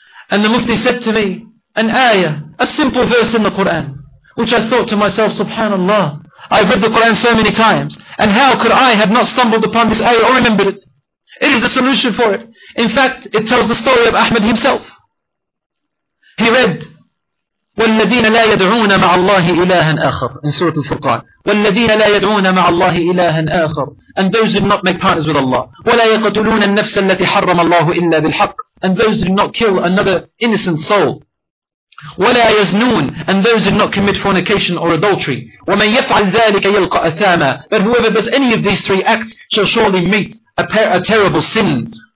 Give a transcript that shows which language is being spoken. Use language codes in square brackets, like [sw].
[en] And the mufti said to me, an ayah, a simple verse in the Quran, which I thought to myself, subhanAllah, I've read the Quran so many times, and how could I have not stumbled upon this ayah or remembered it? It is the solution for it. In fact, it tells the story of Ahmed himself. He read, [ar] وَالَّذِينَ لَا يَدْعُونَ مَعَ اللَّهِ إِلَٰهًا آخَرٍ [en] in Surah Al-Furqan. [ar] وَالَّذِينَ لَا يَدْعُونَ مَعَ اللَّهِ إِلَٰهًا آخَرٍ [en] and those who do not make partners with Allah. [ar] وَلَا يَقَتُلُونَ النَّفْسَ الَّتِي حَرَّمَ اللَّهُ إِلَّا بِالْحَقِّ [en] and those who do not kill another innocent soul. [ar] وَلَا يَزْنُونَ [en] and those who do not commit fornication or adultery. [ar] وَمَنْ يَفْعَلْ ذَلِكَ يَلْقَ أَثَامًا [en] but whoever does any of these three acts shall surely meet a terrible sin.